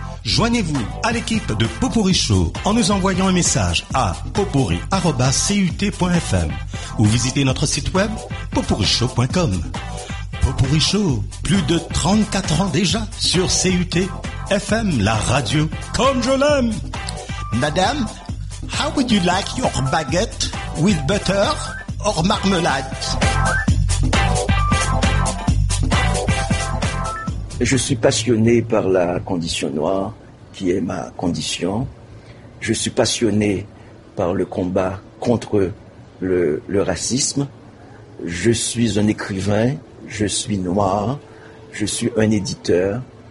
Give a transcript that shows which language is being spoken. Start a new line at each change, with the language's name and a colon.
French: Joignez-vous à l'équipe de Popourri Show en nous envoyant un message à popourri@cut.fm ou visitez notre site web popourrishow.com. Potpourri Show, plus de 34 ans déjà sur CUT FM, la radio comme je l'aime.
English: Madame, how would you like your baguette with butter or marmelade?
French: Je suis passionné par la condition noire, qui est ma condition. Je suis passionné par le combat contre le racisme. Je suis un écrivain, je suis noir, je suis un éditeur.